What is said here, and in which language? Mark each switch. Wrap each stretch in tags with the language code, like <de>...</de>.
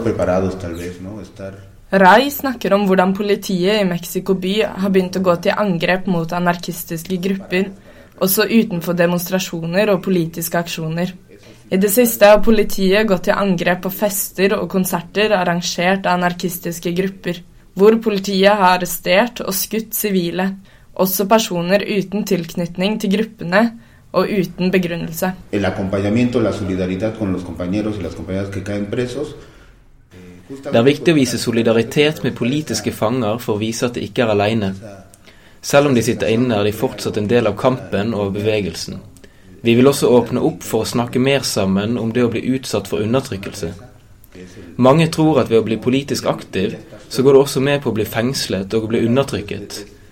<no>Rai snakker om hvordan politiet I Mexico by har begynt å gå til angrep mot anarkistiske grupper, også utenfor demonstrasjoner og politiske aksjoner. I det siste har politiet gått til angrep på fester og konserter arrangert av anarkistiske grupper, hvor politiet har arrestert og skutt sivile. Også personer uten tilknytning til gruppene og uten begrunnelse.</no> <es>El acompañamiento, la solidaridad con los compañeros y las compañeras que caen presos.</es> <no>Det viktig å vise solidaritet med politiske fanger for å vise at de ikke alene. Selv om de sitter inne, de fortsatt en del av kampen og bevegelsen. Vi vil også åpne opp for å snakke mer sammen om det å bli utsatt for undertrykkelse. Mange tror at ved å bli politisk aktiv, så går det også med på å bli fengslet og å bli undertrykket.</no>